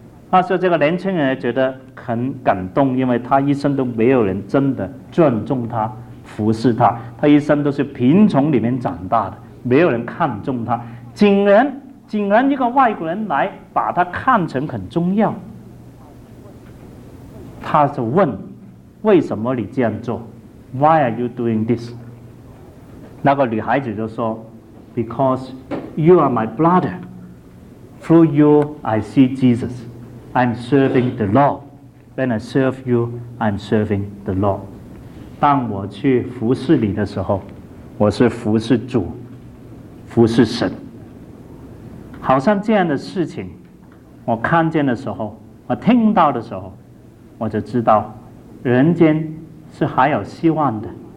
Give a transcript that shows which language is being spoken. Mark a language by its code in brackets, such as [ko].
[zh] 那时候这个年轻人觉得很感动，因为他一生都没有人真的尊重他服侍他，他一生都是贫穷里面长大的，没有人看重他，竟然一个外国人来把他看成很重要。他就问，为什么你这样做？ [en] Why are you doing this? [zh] 那个女孩子就说， [en] Because you are my brother, through you I see Jesus. I'm serving the Lord. When I serve you, I'm serving the Lord. [zh] 当我去服侍你的时候，我是服侍主，服侍神。好像这样的事情，我看见的时候，我听到的时候，我就知道人间是还有希望的。